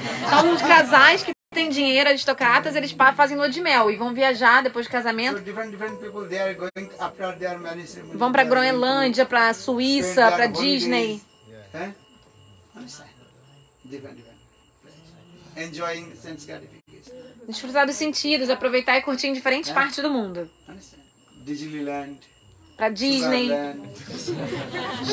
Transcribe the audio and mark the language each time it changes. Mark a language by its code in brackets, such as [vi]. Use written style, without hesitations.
[pt] são uns casais que têm dinheiro, aristocratas, eles fazem lua de mel e vão viajar depois do casamento. [en] So different people there going after their marriage. [pt] Vão para Groenlândia, para Suíça, para Disney. [en] Yeah. Different. Enjoying sense gratification. [pt] Desfrutar dos sentidos, aproveitar e curtir em diferentes partes do mundo. [en] Disneyland. [pt] Pra Disney. Sugarland.